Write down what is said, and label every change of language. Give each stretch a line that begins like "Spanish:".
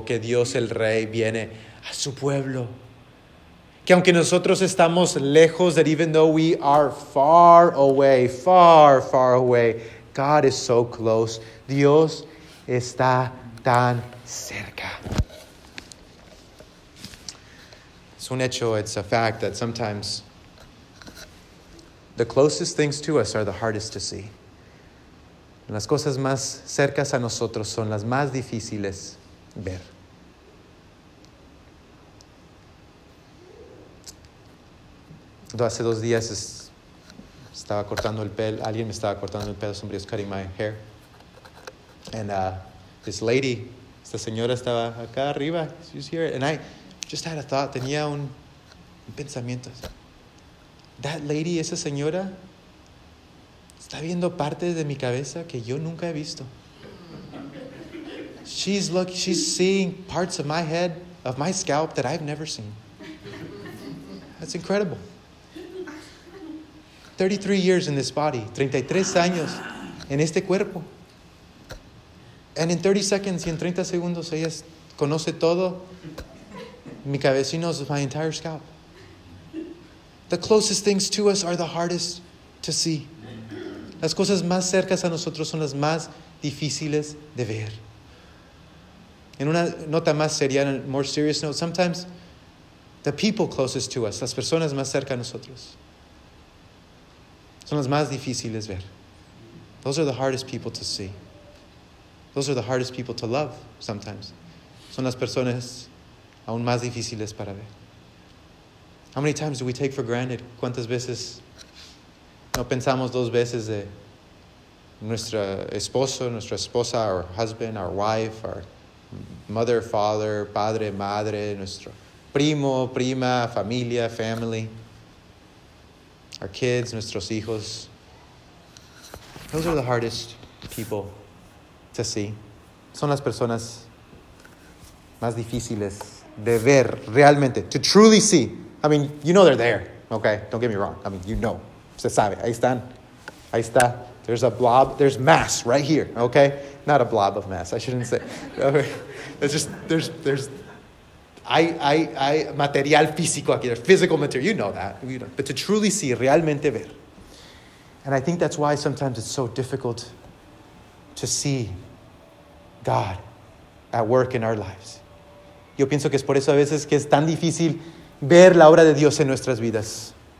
Spanish: Que Dios el Rey viene a su pueblo. Que aunque nosotros estamos lejos,
English: that even though we are far away, far, far away, God is so close.
Spanish: Dios está tan cerca. Es un hecho,
English: it's a fact that sometimes the closest things to us are the hardest to see.
Spanish: Las cosas más cercas a nosotros son las más difíciles ver. Hace dos días estaba cortando el pelo. Alguien me estaba cortando el pelo.
English: Somebody was cutting my hair. And this lady,
Spanish: esta señora estaba acá arriba.
English: She was here. And I just had a thought.
Spanish: Tenía un pensamiento.
English: That lady,
Spanish: esa señora, está viendo partes de mi cabeza que yo nunca he visto.
English: She's seeing parts of my head, of my scalp that I've never seen. That's incredible. 33 years in this body.
Spanish: 33 años en este cuerpo.
English: And in 30 seconds,
Spanish: y en 30 segundos, ella conoce todo. Mi cabeza,
English: knows my entire scalp. The closest things to us are the hardest to see.
Spanish: Las cosas más cercas a nosotros son las más difíciles de ver. En una nota más seria, en
English: a more serious note, sometimes the people closest to us,
Spanish: las personas más cerca a nosotros, son las más difíciles ver.
English: Those are the hardest people to see. Those are the hardest people to love sometimes.
Spanish: Son las personas aún más difíciles para ver.
English: How many times do we take for granted?
Spanish: ¿Cuántas veces no pensamos dos veces de nuestro esposo, nuestra esposa,
English: our husband, our wife, our mother, father,
Spanish: padre, madre, nuestro primo, prima, familia, family,
English: our kids,
Spanish: nuestros hijos?
English: Those are the hardest people to see.
Spanish: Son las personas más difíciles de ver realmente,
English: to truly see. I mean, you know they're there, okay? Don't get me wrong. I mean, you know.
Spanish: Se sabe. Ahí están. Ahí está.
English: There's a blob. There's mass right here, okay? Not a blob of mass. I shouldn't say. Okay. It's just, there's, I,
Spanish: material físico aquí.
English: There's physical material. You know that. You know. But to truly see,
Spanish: realmente ver.
English: And I think that's why sometimes it's so difficult to see God at work in our lives.
Spanish: Yo pienso que es por eso a veces que es tan difícil ver la obra de Dios en nuestras vidas.